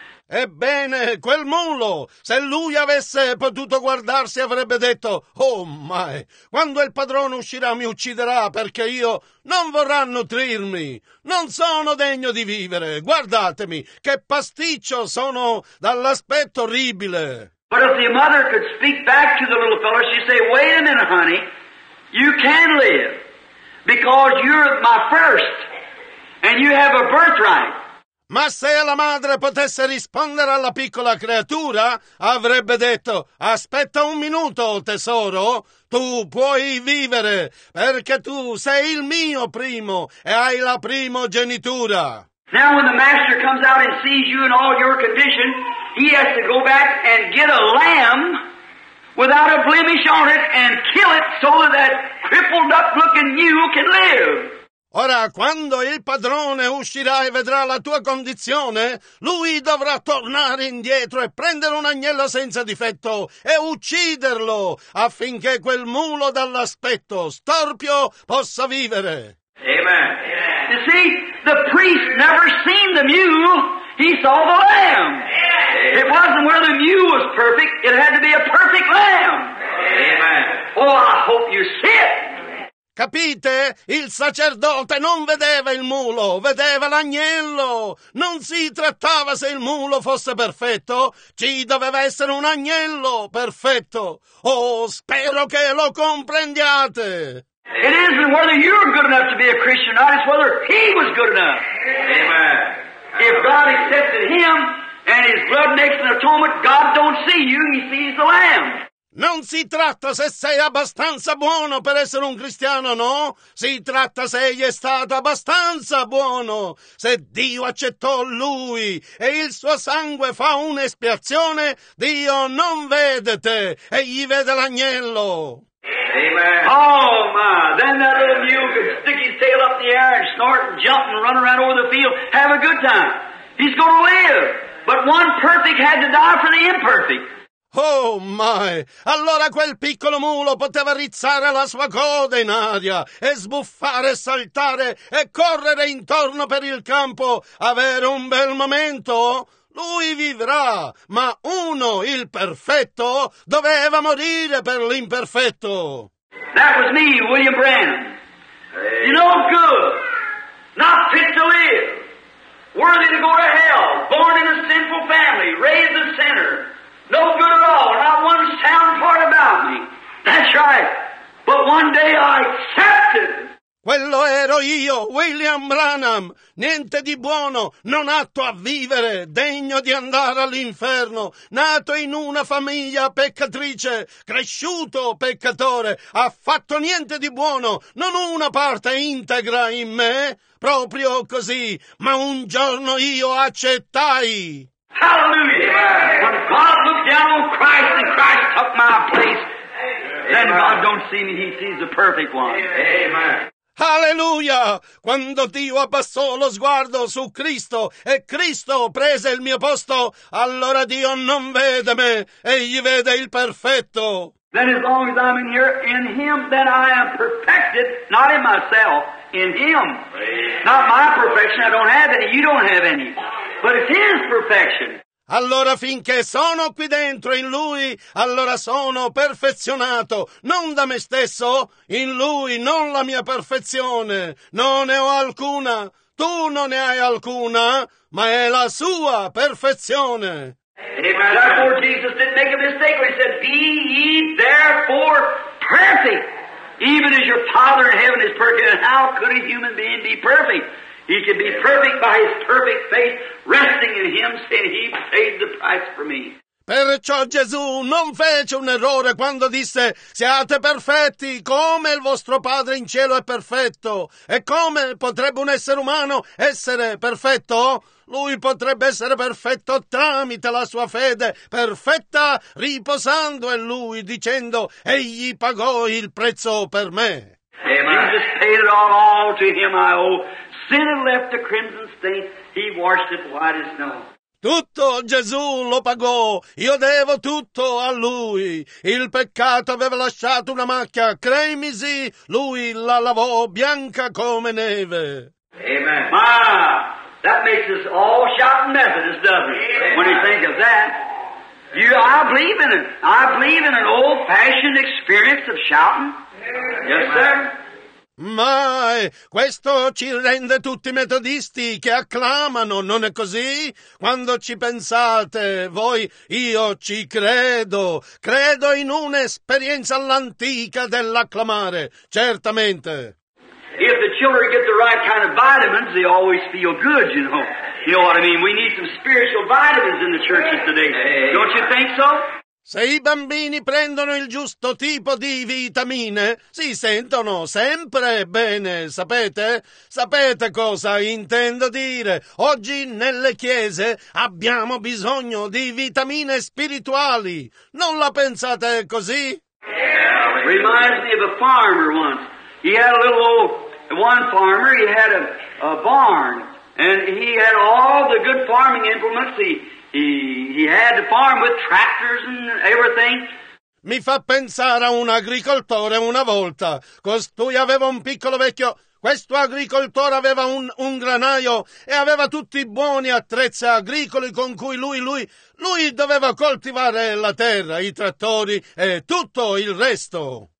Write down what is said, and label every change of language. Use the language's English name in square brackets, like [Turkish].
[Italian] Ebbene, quel mulo, se lui avesse potuto guardarsi, avrebbe detto: oh mai, quando il padrone uscirà mi ucciderà, perché io non vorrà nutrirmi, non sono degno di vivere, guardatemi che pasticcio sono dall'aspetto orribile. [English] But if the mother could speak back to the little fellow, she'd say, wait a minute honey, you can live, because you're my first, and you have a birthright. [Italian] Ma se la madre potesse rispondere alla piccola creatura, avrebbe detto: aspetta un minuto, tesoro, tu puoi vivere, perché tu sei il mio primo e hai la primogenitura. [English] Now when the master comes out and sees you in all your condition, he has to go back and get a lamb without a blemish on it and kill it so that crippled up looking you can live. [Italian] Ora, quando il padrone uscirà e vedrà la tua condizione, lui dovrà tornare indietro e prendere un agnello senza difetto e ucciderlo affinché quel mulo dall'aspetto storpio possa vivere. [English] Amen. You see, the priest never seen the mule, he saw the lamb. It wasn't where the mule was perfect, it had to be a perfect lamb. Amen. Oh, I hope you see it. [Italian] Capite? Il sacerdote non vedeva il mulo, vedeva l'agnello. Non si trattava se il mulo fosse perfetto, ci doveva essere un agnello perfetto. Oh, spero che lo comprendiate. [English] It isn't whether you're good enough to be a Christian or not, it's whether he was good enough. Amen. If God accepted him and his blood makes an atonement, God don't see you, he sees the lamb. [Italian] Non si tratta se sei abbastanza buono per essere un cristiano, no? Si tratta se egli è stato abbastanza buono, se Dio accettò lui e il suo sangue fa un'espiazione, Dio non vede te e gli vede l'agnello. [English] Amen. Oh my, then that little mule could stick his tail up the air and snort and jump and run around over the field, have a good time. He's gonna live, but one perfect had to die for the imperfect. Oh my! [Italian] Allora quel piccolo mulo poteva rizzare la sua coda in aria e sbuffare e saltare e correre intorno per il campo, avere un bel momento? Lui vivrà, ma uno, il perfetto, doveva morire per l'imperfetto. [English] That was me, William Branham. You know, good, not fit to live, worthy to go to hell, born in a sinful family, raised a sinner. No good at all, not one sound part about me. That's right. But one day I accepted. [Italian] Quello ero io, William Branham. Niente di buono, non atto a vivere, degno di andare all'inferno. Nato in una famiglia peccatrice, cresciuto peccatore, affatto niente di buono, non una parte integra in me. Proprio così, ma un giorno io accettai. [English] Hallelujah! When God looked down on Christ and Christ took my place, then God don't see me, he sees the perfect one. Amen. Hallelujah! [Italian] Quando Dio abbassò lo sguardo su Cristo e Cristo prese il mio posto, allora Dio non vede me, egli vede il perfetto. [English] Then as long as I'm in here, in him, then I am perfected, not in myself, in him. Not my perfection, I don't have any, you don't have any. But it's his perfection. [Italian] Allora finché sono qui dentro in lui, allora sono perfezionato, non da me stesso, in lui, non la mia perfezione. Non ne ho alcuna, tu non ne hai alcuna, ma è la sua perfezione. [English] Amen. Therefore Jesus didn't make a mistake when he said, be ye therefore perfect, even as your Father in heaven is perfect. And how could a human being be perfect? He can be perfect by his perfect faith, resting in him, saying he paid the price for me. [Italian] Perciò Gesù non fece un errore quando disse: siate perfetti come il vostro Padre in cielo è perfetto. E come potrebbe un essere umano essere perfetto? Lui potrebbe essere perfetto tramite la sua fede perfetta, riposando in lui, dicendo: egli pagò il prezzo per me. [English] Amen. Jesus paid it all to him I owe. Sin had left a crimson stain, he washed it white as snow. [Italian] Tutto Gesù lo pagò, io devo tutto a lui. Il peccato aveva lasciato una macchia cremisi, lui la lavò bianca come neve. [English] Amen. Ma That makes us all shouting Methodists, doesn't it? Amen. When you think of that. I believe in it. I believe in an old-fashioned experience of shouting. Amen. Yes, sir. [Italian] Mai, questo ci rende tutti metodisti che acclamano, non è così? Quando ci pensate, voi, io ci credo. Credo in un'esperienza all'antica dell'acclamare, certamente. [English] If the children get the right kind of vitamins, they always feel good, you know. You know what I mean? We need some spiritual vitamins in the churches today. Don't you think so? [Italian] Se i bambini prendono il giusto tipo di vitamine, si sentono sempre bene, sapete? Sapete cosa intendo dire? Oggi nelle chiese abbiamo bisogno di vitamine spirituali. Non la pensate così? [English] Reminds me of a farmer once. He had a little old one farmer, he had a barn, and he had all the good farming implements. He had to farm with tractors and everything. [Italian] Mi fa pensare a un agricoltore una volta. Costui aveva un piccolo vecchio. Questo agricoltore aveva un granaio e aveva tutti i buoni attrezzi agricoli con cui lui doveva coltivare la terra, i trattori e tutto il resto.